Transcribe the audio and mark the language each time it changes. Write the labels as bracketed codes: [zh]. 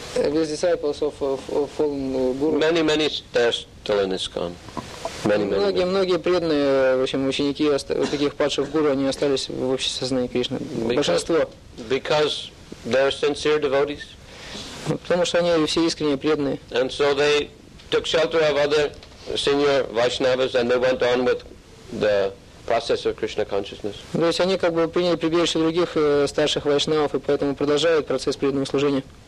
[en] those disciples of fallen guru? Many are still in ISKCON. [ru] Многие преданные, в общем, ученики таких падших гуру, они остались в обществе сознания Кришны. Большинство. [en] Because they are sincere devotees. [ru] Потому что они все искренне преданные. [en] And so they took shelter of other senior Vaishnavas and they went on with the process of Krishna consciousness. [ru] То есть они как бы приняли прибежище других старших вайшнавов и поэтому продолжают процесс преданного служения.